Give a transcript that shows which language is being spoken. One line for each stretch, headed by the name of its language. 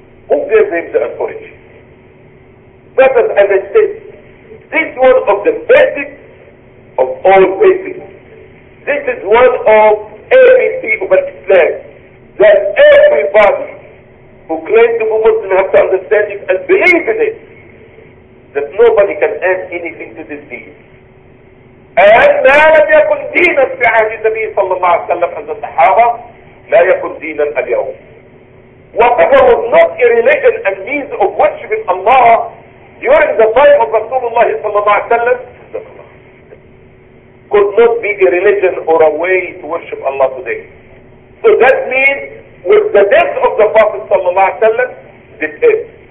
English: Who gave him the authority? But as I said, this one of the basic of all faith. This is one of ABC of Islam, that everybody who claim to be Muslim have to understand it and believe in it, that nobody can add anything to this deed.
Arabic: And ما لم يكن دينا في عهد النبي صلى الله عليه وسلم عند الصحابة لا يكن دينا اليوم.
English: Whatever was not a religion and means of worshiping Allah during the time of Rasulullah
Arabic: صلى الله عليه وسلم
English: could not be a religion or a way to worship Allah today. So that means with the death of the Prophet sallallahu alaihi wasallam, this is.